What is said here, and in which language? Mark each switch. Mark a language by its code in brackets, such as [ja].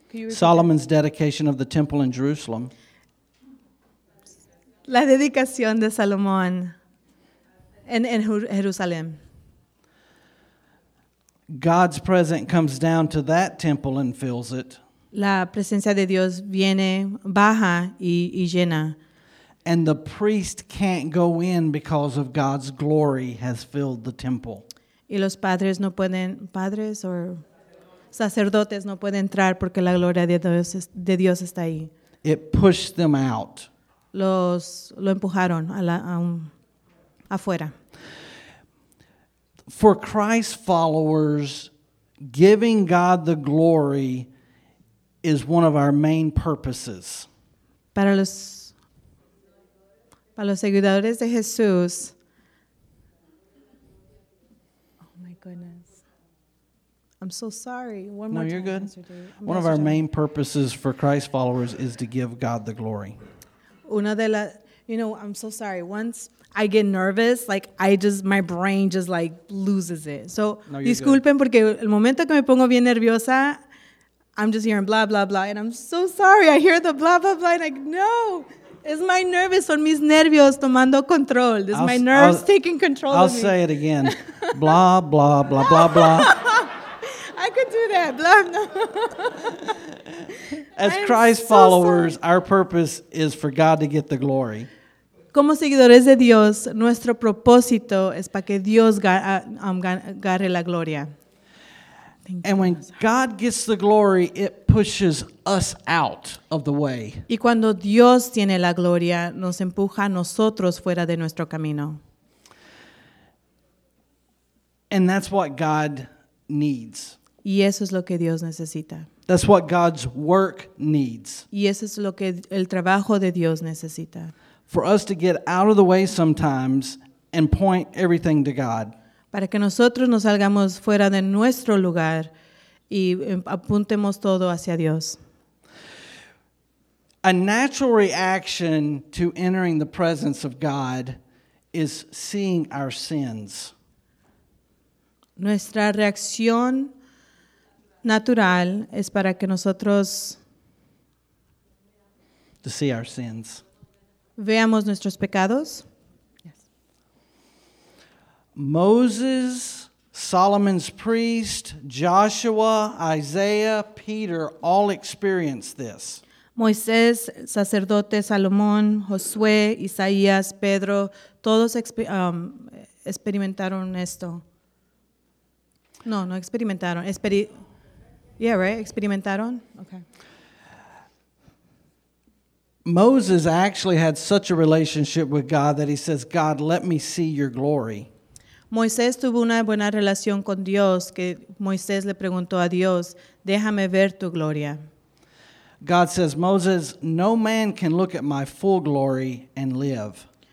[en] Solomon's dedication of the temple in Jerusalem. [es] La dedicación de Salomón en Jerusalén. [en] God's presence comes down to that temple and fills it. [es] La presencia de Dios viene, baja y llena. [en] And the priest can't go in because of God's glory has filled the temple. [es] Y los padres no pueden, padres o sacerdotes no pueden entrar porque la gloria de Dios está ahí. [en] It pushed them out. [es] Lo empujaron afuera. [en] For Christ's followers, giving God the glory is one of our main purposes. [es] Para los seguidores de Jesús. [en] Oh my goodness. I'm so sorry. No, you're good. One of our main purposes for Christ's followers is to give God the glory. I'm so sorry. Once I get nervous, like I just, my brain just like loses it. [es] So, disculpen porque el momento que me pongo bien nerviosa, [en] I'm just hearing blah, blah, blah. And I'm so sorry. I hear the blah, blah, blah. And I'm like, no, it's my nerves. [es] Son mis nervios tomando control. [en] It's my nerves taking control of me. I'll say it again. Blah, blah, blah, blah, blah. I could do that. Blah, blah. As Christ followers, our purpose is for God to get the glory. [es] Como seguidores de Dios, nuestro propósito es para que Dios agarre la gloria. [en] And when God gets the glory, it pushes us out of the way. [es] Y cuando Dios tiene la gloria, nos empuja a nosotros fuera de nuestro camino. [en] And that's what God needs. [es] Y eso es lo que Dios necesita. [en] That's what God's work needs. [es] Y eso es lo que el trabajo de Dios necesita. [en] For us to get out of the way sometimes and point everything to God. [es] Para que nosotros nos salgamos fuera de nuestro lugar y apuntemos todo hacia Dios. [en] A natural reaction to entering the presence of God is seeing our sins. [es] Nuestra reacción natural es para que nosotros [en] to see our sins. [es] Veamos nuestros pecados. [en] Moses, Solomon's priest, Joshua, Isaiah, Peter all experienced this. [es] Moisés, sacerdote, Salomón, Josué, Isaías, Pedro, todos experimentaron esto. No experimentaron. Experimentaron. Okay. [en] Moses actually had such a relationship with God that he says, God, let me see your glory. [es] Moisés tuvo una buena relación con Dios que Moisés le preguntó a Dios, déjame ver tu gloria. [en] God says, Moses, no man can look at my full glory and live.